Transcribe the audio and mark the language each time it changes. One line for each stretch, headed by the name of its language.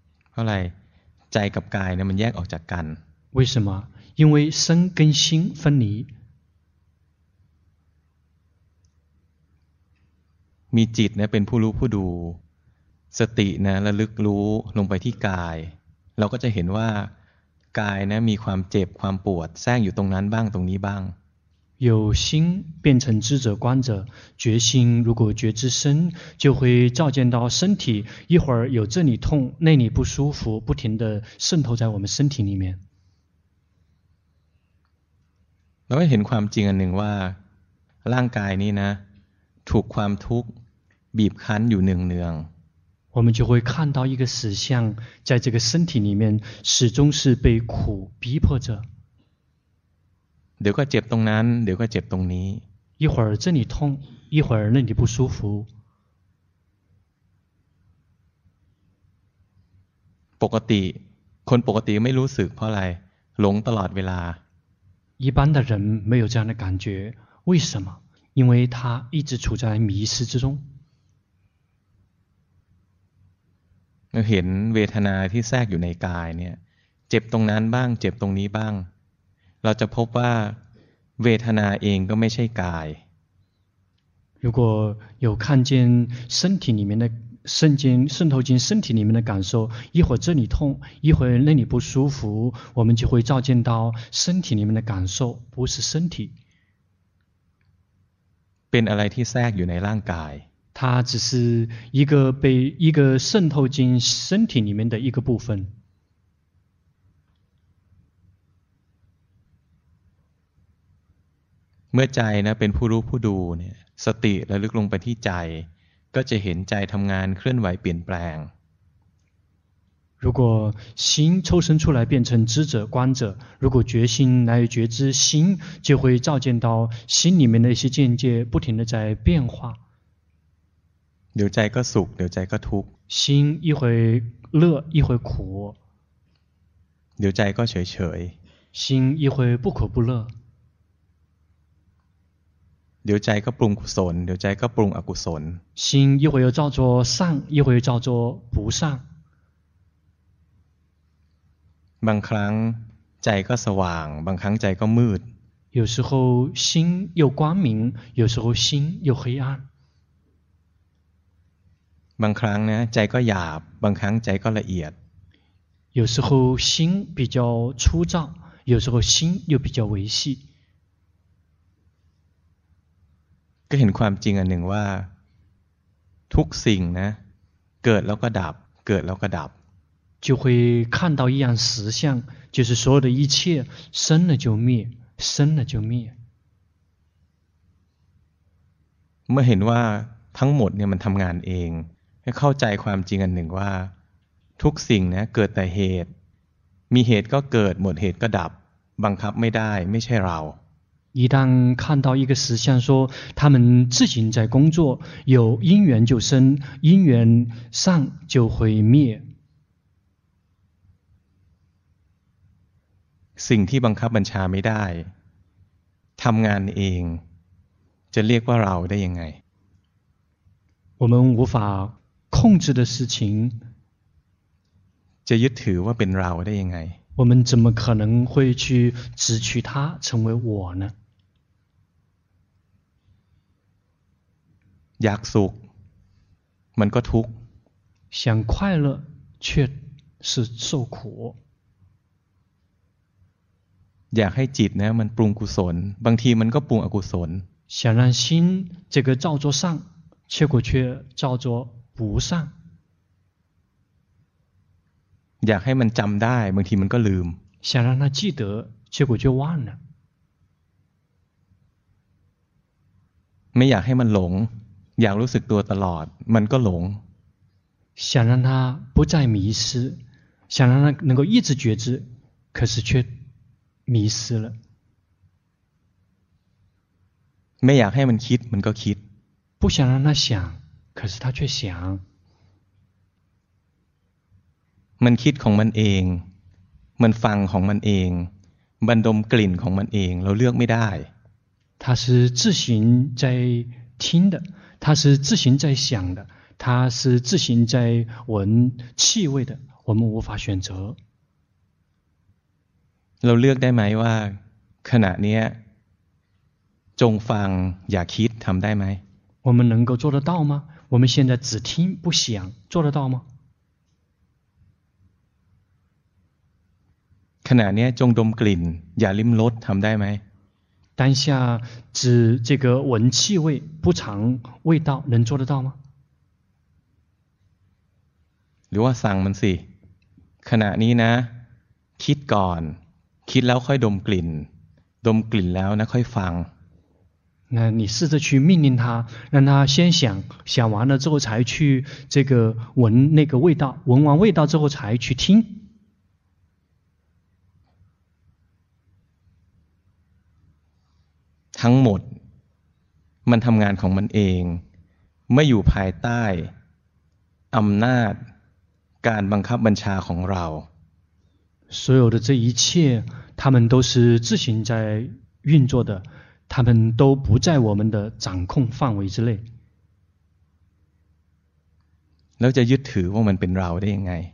Thai: เพราะอะไรใจกับกายเนี่ยมันแยกออกจากกัน
Chinese: 为什么因为身跟心分离
Thai: มีจิตเนี่ยเป็นผู้รู้ผู้ดูสตินะระลึกรู้ลงไปที่กายเราก็จะเห็นว่ากายนะมีความเจ็บความปวดแทรกอยู่ตรงนั้นบ้างตรงนี้บ้าง
Chinese: 有心变成知者观者觉心如果觉知身就会照见到身体一会儿有这里痛那里不舒服不停的渗透在我们身体里面
Thai: เราเห็นความจริงอันหนึ่งว่าร่างกายนี้นะถูกความทุกข์บีบคั้นอยู่เนือง
Chinese: ๆ我们就会看到一个实相在这个身体里面始终是被苦逼迫着
Thai: เดี๋ยวก็เจ็บตรงนั้นเดี๋ยวก็เจ็บตรงนี้
Chinese: 一会儿这里痛一会儿那里不舒服
Thai: ปกติคนปกติไม่รู้สึกเพราะอะไรหลงตลอดเวลา
Chinese: 一般的人没有这样的感觉为什么因为他一直处在迷失之中
Thai: เห็นเวทนาที่แทรกอยู่ในกายเนี่ยเจ็บตรงนั้นบ้างเจ็บตรงนี้บ้างเราจะพบว่าเวทนาเองก็ไม่ใช่กาย
Chinese: 如果有看见身体里面的渗进渗透进身体里面的感受一会儿这里痛一会儿那里不舒服我们就会照见到身体里面的感受不是身体
Thai: เป็นอะไรที่แทรกอยู่ในร่างกาย
Chinese: 它只是一个被一个渗透进身体里面的一个部分
Thai: เมื่อใจนะเป็นผู้รู้ผู้ดูเนี่ยสติระลึกลงไปที่ใจก็จะเห็นใจทำงานเคลื่อนไหวเปลี่ยนแปลง
Chinese: 如果心抽身出来变成知者观者如果觉心来觉知心就会照见到心里面的一些境界不停的在变化
Thai: เดี๋ยวใจก็สุขเดี๋ยวใจก็ทุกข์
Chinese: 心一会乐一会苦
Thai: เดี๋ยวใจก็เฉยเฉย
Chinese: 心一会不苦不乐
Thai: เดี๋ยวใจก็ปรุงกุศลเดี๋ยวใจก็ปรุงอกุศล
Chinese: 心一会又叫做善一会又叫做不善
Thai: บางครั้งใจก็สว่างบางครั้งใจก็มืด
Chinese: 有时候心又光明有时候心又黑暗
Thai: บางครั้งนะใจก็หยาบบางครั้งใจก็ละเอียด
Chinese: 有时候心比较粗糙有时候心又比较微细
Thai: ก็เห็นความจริงอันหนึ่งว่าทุกสิ่งนะเกิดแล้วก็ดับเกิดแล้วก็ดับ
Chinese: 就会看到一样实相就是所有的一切生了就灭生了就灭
Thai: เมื่อเห็นว่าทั้งหมดเนี่ยมันทำงานเองให้เข้าใจความจริงอันหนึ่งว่าทุกสิ่งนะเกิดแต่เหตุมีเหตุก็เกิดหมดเหตุก็ดับบังคับไม่ได้ไม่ใช่เรา
Chinese: 一旦看到一个实相说他们自行在工作有因缘就生因缘上就会灭
Thai: สิ่งที่บังคับบัญชาไม่ได้ทำงานเองจะเรียกว่าเราได้ยังไง
Chinese: 我们无法控制的事情
Thai: จะยึดถือว่าเป็นเราได้ยังไง
Chinese: 我们怎么可能会去执取它成为我呢
Thai: อยากสุขมันก็ทุกข์
Chinese: 想快乐却是受苦
Thai: อยากให้จิตนะมันปรุงกุศลบางทีมันก็ปรุงอกุศล
Chinese: 想让心这个照做善结果却照做不善
Thai: อยากให้มันจำได้บางทีมันก็ลืม
Chinese: 想让它记得结果就忘了
Thai: ไม่อยากให้มันหลงอยากรู้สึกตัวตลอดมันก็หลง
Chinese: 想让他不再迷失想让他能够一直觉知可是却迷失了
Thai: ไม่อยากให้มันคิดมันก็คิด
Chinese: 不想让他想可是他却想
Thai: มันคิดของมันเองมันฟังของมันเองมันดมกลิ่นของมันเองเราเลือกไม่ได้
Chinese: 他是自行在听的他是自行在想的他是自行在闻气味的我们无法选择
Thai: เราเลือกได้ไหมว่าขณะนี้จงฟังอย่าคิดทำได้ไหม
Chinese: 我们能够做得到吗我们现在只听不想做得到吗
Thai: ขณะนี้จงดมกลิ่นอย่าลิ้มรสทำได้ไหม ดังนั้นจะ
Chinese: 这个闻气味不尝味道能做得到吗
Thai: หรือว่าสั่งมันสิขณะนี้นะคิดก่อนคิดแล้วค่อยดมกลิ่นดมกลิ่นแล้วนะค่อยฟัง
Chinese: 那你试着去命令他让他先想想完了之后才去这个闻那个味道闻完味道之后才去听
Thai: ทั้งหมดมันทำงานของมันเองไม่อยู่ภายใต้อำนาจการบังคับบัญชาของเรา
Chinese: 所有的这一切他们都是自行在运作的他们都不在我们的掌控范围之内
Thai: แล้วจะยึดถือว่ามันเป็นเราได้ยังไง